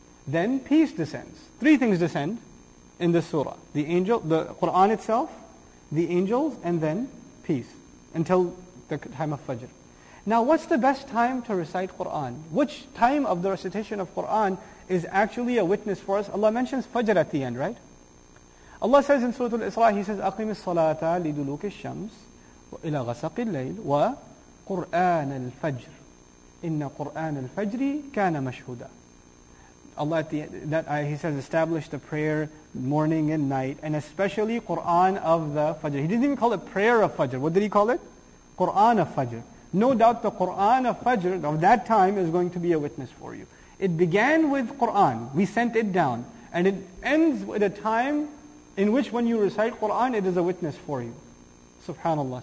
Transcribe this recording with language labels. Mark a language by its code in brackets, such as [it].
[en] Then peace descends. Three things descend in this surah. The angel, the Qur'an itself, the angels, and then peace. Until the time of Fajr. Now what's the best time to recite Qur'an? Which time of the recitation of Qur'an is actually a witness for us? Allah mentions Fajr at the end, right? Allah says in Surah Al-Isra, He says, [ar] أَقِمِ الصَّلَاةَ لِدُلُوكِ الشَّمْسِ إِلَىٰ غَسَقِ اللَّيْلِ وَقُرْآنَ الْفَجْرِ إِنَّ قُرْآنَ الْفَجْرِ كَانَ مَشْهُودًا. [en] Allah at the end, that he says establish the prayer morning and night, and especially Quran of the Fajr. He didn't even call it prayer of Fajr. What did he call it? Quran of Fajr. No doubt the Quran of Fajr of that time is going to be a witness for you. It began with Quran. We sent it down. And it ends with a time in which when you recite Quran, it is a witness for you. Subhanallah.